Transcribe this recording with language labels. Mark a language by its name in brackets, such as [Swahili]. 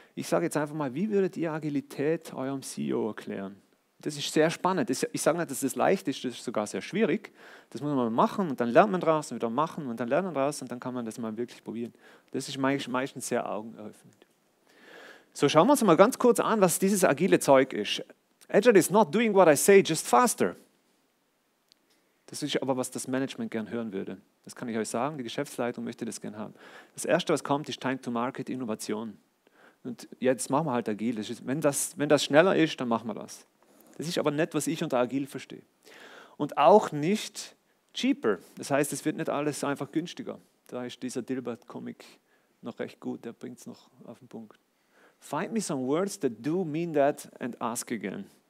[German] Ich sage jetzt einfach mal, wie würdet ihr Agilität eurem CEO erklären? Das ist sehr spannend. Ich sage nicht, dass das leicht ist, das ist sogar sehr schwierig. Das muss man machen und dann lernt man draus und wieder machen und dann lernt man draus und dann kann man das mal wirklich probieren. Das ist meistens sehr augenöffnend. So, schauen wir uns mal ganz kurz an, was dieses agile Zeug ist. [English] Agile is not doing what I say, just faster. [German] Das ist aber, was das Management gern hören würde. Das kann ich euch sagen, die Geschäftsleitung möchte das gern haben. Das Erste, was kommt, ist Time to Market, Innovation. Und jetzt machen wir halt agil. Wenn das schneller ist, dann machen wir das. Das ist aber nicht, was ich unter agil verstehe. Und auch nicht cheaper. Das heißt, es wird nicht alles einfach günstiger. Da ist dieser Dilbert-Comic noch recht gut, der bringt es noch auf den Punkt. [English] Find me some words that do mean that and ask again.